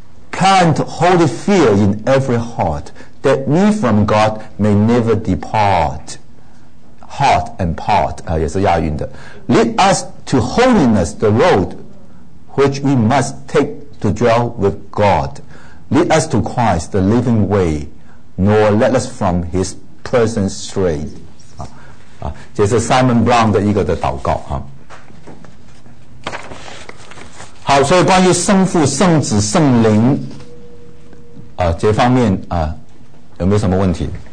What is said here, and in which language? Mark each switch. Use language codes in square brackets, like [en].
[en] Plant holy fear in every heart that we from God may never depart. Heart and part [zh] 啊，也是押韵的。 [en] Lead us to holiness, the road which we must take to dwell with God. Lead us to Christ, the living way, nor let us from His presence stray. [zh] 啊，这是 Simon Brown 的一个的祷告啊。好，所以关于圣父、圣子、圣灵啊，这方面啊，有没有什么问题？